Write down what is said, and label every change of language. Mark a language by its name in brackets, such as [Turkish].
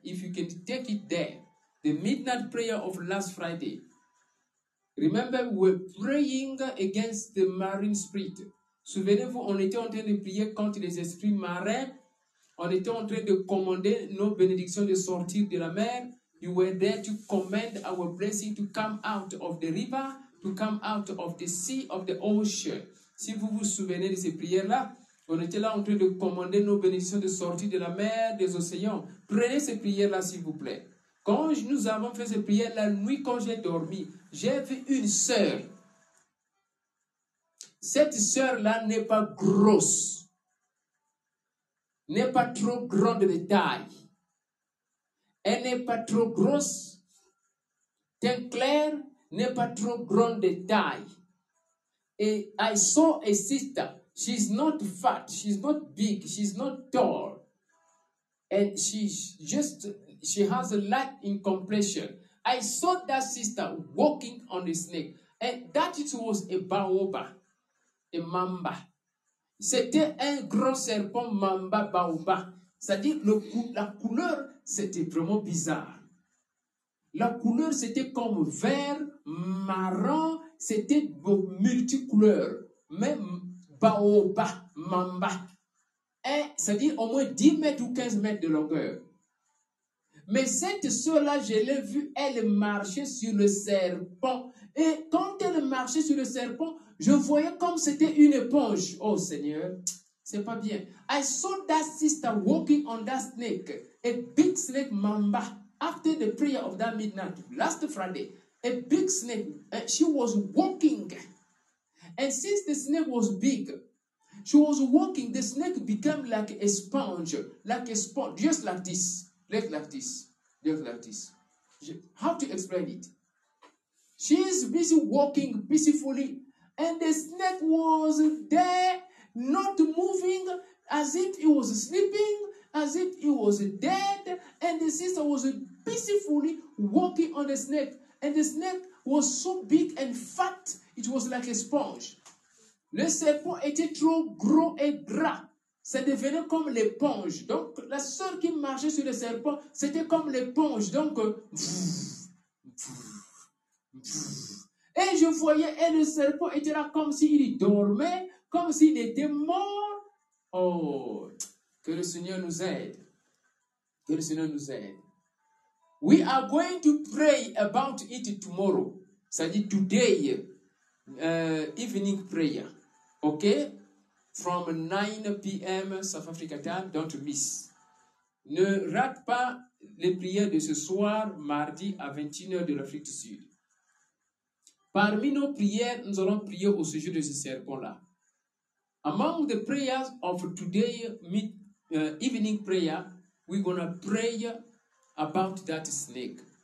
[English] If you can take it there, the midnight prayer of last Friday. Remember, we're praying against the marine spirit. [French] Souvenez-vous, on était en train de prier contre les esprits marins. On était en train de commander nos bénédictions de sortir de la mer. [English] You were there to command our blessing to come out of the river, to come out of the sea, of the ocean. [French] Si vous vous souvenez de ces prières-là, on était là en train de commander nos bénédictions de sortir de la mer, des océans. Prenez ces prières-là, s'il vous plaît. Quand nous avons fait ces prières la nuit, quand j'ai dormi, j'ai vu une sœur. Cette sœur-là n'est pas grosse, n'est pas trop grande de taille. Elle n'est pas trop grosse, teint clair, n'est pas trop grande de taille. [English] Et I saw a sister, she's not fat, she's not big, she's not tall. And she has a light in complexion. I saw that sister walking on a snake. And that it was a baobab. Et mamba. [French] C'était un grand serpent mamba baobab. C'est-à-dire le la couleur, c'était vraiment bizarre. La couleur, c'était comme vert, marron, c'était multicouleur. Mais baobab, mamba. Et, c'est-à-dire au moins 10 mètres ou 15 mètres de longueur. Mais cette sœur-là, je l'ai vue, elle marchait sur le serpent. Et quand elle marchait sur le serpent, je voyais comme c'était une éponge. Oh Seigneur, c'est pas bien. [English] I saw that sister walking on that snake, a big snake mamba, after the prayer of that midnight, last Friday. A big snake, she was walking. And since the snake was big, she was walking, the snake became like a sponge, just like this, just like this. How to explain it? She is busy walking peacefully, and the snake was there, not moving, as if it was sleeping, as if it was dead. And the sister was peacefully walking on the snake. And the snake was so big and fat, it was like a sponge. [French] Le serpent était trop gros et gras. Ça devenait comme l'éponge. Donc, la sœur qui marchait sur le serpent, c'était comme l'éponge. Donc, et je voyais, et le serpent était là comme s'il dormait, comme s'il était mort. Oh, que le Seigneur nous aide. Que le Seigneur nous aide. [English] We are going to pray about it tomorrow. [French] C'est-à-dire [English] today, evening prayer. Ok? From 9 p.m. South Africa time, don't miss. [French] Ne rate pas les prières de ce soir, mardi à 21h de l'Afrique du Sud. Parmi nos prières, nous allons prier au sujet de ce serpent-là. [English] Among the prayers of today, evening prayer, we're going to pray about that snake.